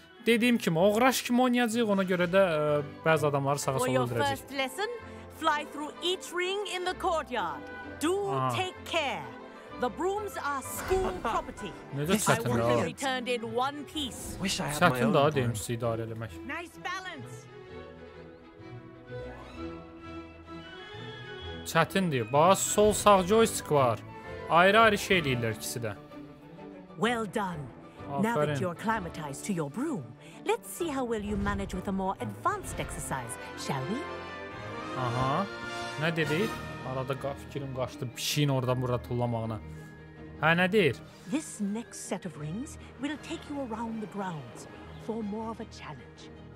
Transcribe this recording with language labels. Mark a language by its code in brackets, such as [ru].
[az] Dediyim kimi, oğraş kimi oynayacaq, ona görə də bəzi adamları sağa sola öldürəcək. [en] For your first lesson, fly through each ring in the courtyard. Do take care. The brooms are school property. [az] Necə çətin [en] daha? I want to be turned in one piece. Wish I had my own. [az] Çətin daha, deyimcisi, idarə eləmək. [en] Nice balance. [az] Çətindir. Bax, sol sağ joystick var. Ayrı-ayrı şey eləyirlər ikisi də. [en] Well done. Now that you're acclimatized to your broom, let's see how well you manage with a more advanced exercise, shall we? [az] Aha. Nə dedi? Arada fikrim qaçdı bir şeyin oradan burada tullamağına. Hə, nə deyir? [en] This next set of rings will take you around the grounds for more of a challenge.